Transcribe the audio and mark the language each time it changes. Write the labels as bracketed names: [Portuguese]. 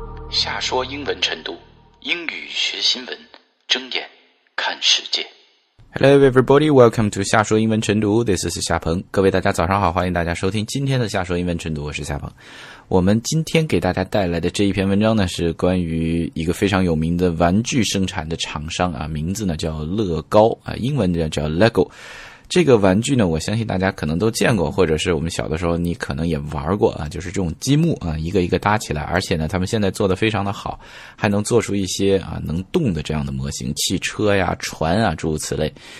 [Chinese] 下说英文晨读，英语学新闻，睁眼看世界。 [English] Hello everybody, welcome to 下说英文晨读。 This is 夏鹏。 [Chinese] 各位大家早上好，欢迎大家收听今天的下说英文晨读。我是夏鹏。我们今天给大家带来的这一篇文章呢，是关于一个非常有名的玩具生产的厂商啊，名字呢叫乐高啊，英文叫 Lego。这个玩具呢，我相信大家可能都见过，或者是我们小的时候你可能也玩过啊，就是这种积木啊，一个一个搭起来，而且呢他们现在做的非常的好，还能做出一些啊能动的这样的模型，汽车呀，船啊，诸如此类。